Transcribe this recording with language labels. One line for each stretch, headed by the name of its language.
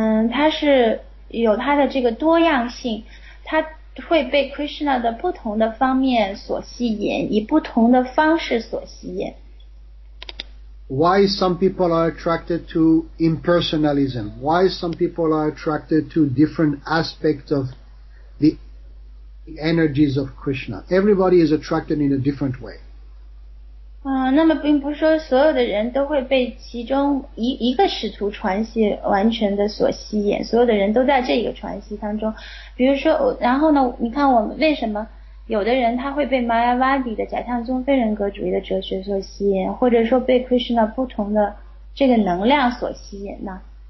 Chinese: 它是有它的这个多样性，它会被 Krishna 的不同的方面所吸引，以不同的方式所吸引。
English: Why some people are attracted to impersonalism? Why some people are attracted to different aspects of the energies of Krishna? Everybody is attracted in a different way.
Chinese: 那么并不是说所有的人都会被其中一个使徒传习完全的所吸引，所有的人都在这个传习当中。比如说，然后呢，你看我们为什么有的人他会被 Mayavadi 的假象宗非人格主义的哲学所吸引，或者说被 Krishna 不同的这个能量所吸引呢？